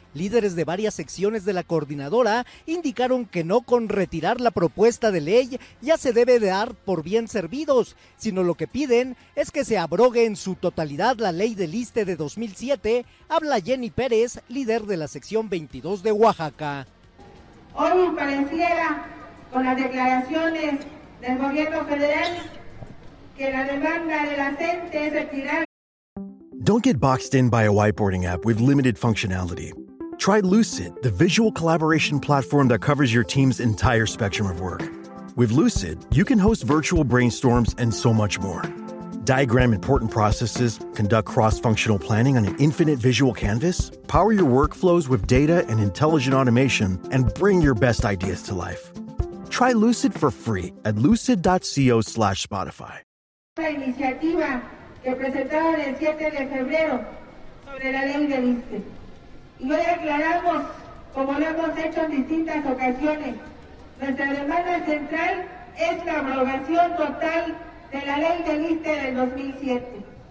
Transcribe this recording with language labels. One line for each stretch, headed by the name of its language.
Spanish: Líderes de varias secciones de la coordinadora indicaron que no con retirar la propuesta de ley ya se debe dar por bien servidos, sino lo que piden es que se abrogue en su totalidad la ley del ISSSTE de 2007, habla Jenny Pérez, líder de la sección 22 de Oaxaca. Hoy me pareciera, con las declaraciones del gobierno federal, que la demanda de la CENTE es retirar.
English: Don't get boxed in by a whiteboarding app with limited functionality. Try Lucid, the visual collaboration platform that covers your team's entire spectrum of work. With Lucid, you can host virtual brainstorms and so much more. Diagram important processes, conduct cross-functional planning on an infinite visual canvas, power your workflows with data and intelligent automation, and bring your best ideas to life. Try Lucid for free at lucid.co/Spotify.
Spanish: La iniciativa que presentaron el 7 de febrero sobre la ley de ISSSTE. Y hoy aclaramos, como lo hemos hecho en distintas ocasiones, nuestra demanda central es la abrogación total de la ley de ISSSTE del 2007.